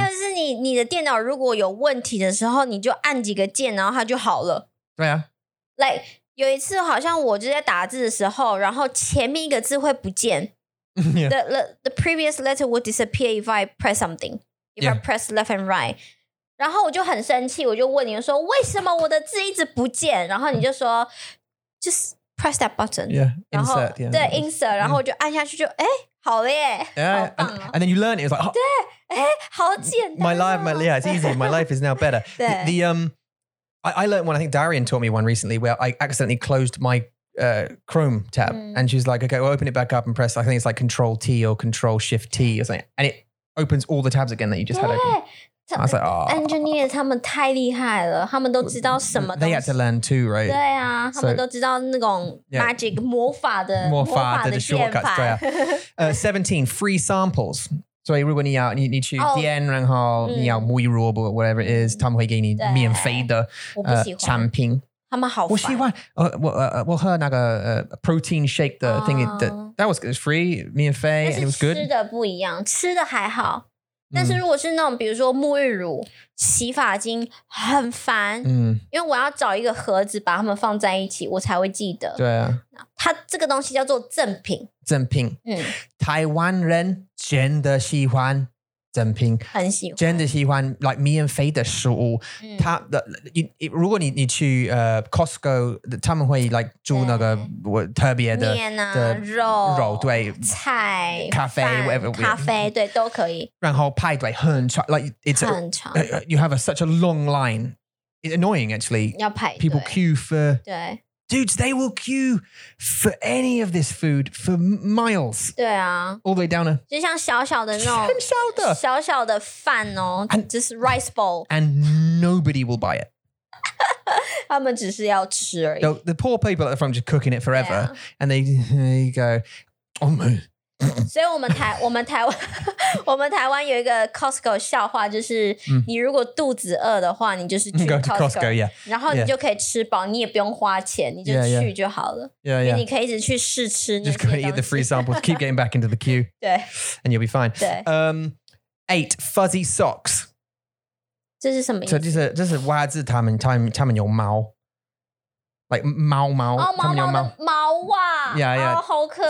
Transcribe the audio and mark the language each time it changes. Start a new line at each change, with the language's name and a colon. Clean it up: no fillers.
Chinese: 还有就是你的电脑如果有问题的时候，你就按几个键，然后它就好了。对啊。 Like 有一次，好像我就在打字的时候，然后前面一个字会不见。
English: Yeah. The previous letter would disappear if I press something. If、yeah. I press left and right.
Chinese: 然后我就很生气，我就问你说为什么我的字一直不见？然后你就说
English: just。Press that button. Yeah, insert.
Chinese: 对 ，insert， 然后我就按下去就，哎，好了耶，好棒了。
English: And then you learn it. It's like,
Chinese: 对，哎，好简单。
English: My life, yeah, it's easy. My life is now better.
Chinese: 对
English: ，the I learned one. I think Darian taught me one recently where I accidentally closed my Chrome tab, and she's like, okay, well, open it back up and press. I think it's like Control T or Control Shift T or something, and it opens all the tabs again that you just had open. I was like, oh.
Chinese: Engineers, 他们太厉害了，他们都知道什么。
English: They had to learn too, right?
Chinese: 对啊，他们都知道那种 magic 魔法的魔法的键盘。
English: 17 free samples.
Chinese: 所以如果你要你去 DN 然后你要沐浴乳或
English: whatever it is，
Chinese: 他们会给你免费的产品。他们好烦。我喜欢我喝那个
English: protein shake 的 thing that was free 免费 and it was good。
Chinese: 吃的不一样，吃的还好。但是如果是那种比如说沐浴乳洗发精很烦因为我要找一个盒子把它们放在一起我才会记得对啊它这个东西叫做赠品赠品台湾人真的喜欢赠品很喜欢真的喜欢 like 免费的食物它的如果你去Costco 他们会 like 煮那个特别的面啊的肉对菜咖啡 whatever 咖啡对都可以然后排队很长
English: like it's
Chinese: 很长
English: you have such a long line it's annoying actually
Chinese: 要排队
English: people queue for
Chinese: 对
English: Dudes, they will queue for any of this food for miles.
Chinese: 对啊
English: All the way down.
Chinese: 就像小小的那种很小的小小的饭哦
English: and, Just rice bowl. And nobody will buy it.
Chinese: 他们只是要吃而已
English: so, The poor people at the front just cooking it forever.、 Yeah. And they go, oh my.
Chinese: 所以我们台湾有一个 Costco 笑话就是你如果肚子饿的话你就是去
English: Costco, Costco、 yeah.
Chinese: 然后你就可以吃饱你也不用花钱你就去就好了
English: yeah, yeah.
Chinese: 因为你可以一直去试吃那些
English: 东西 Just eat the free samples keep getting back into the queue
Chinese: 对
English: And you'll be fine
Chinese: 对
English: 8 fuzzy socks
Chinese: 这是什么意思、 so、这是袜子他们有毛 like 猫、哦、他们有猫猫袜
English: Yeah, yeah.、
Chinese: Oh, 好可爱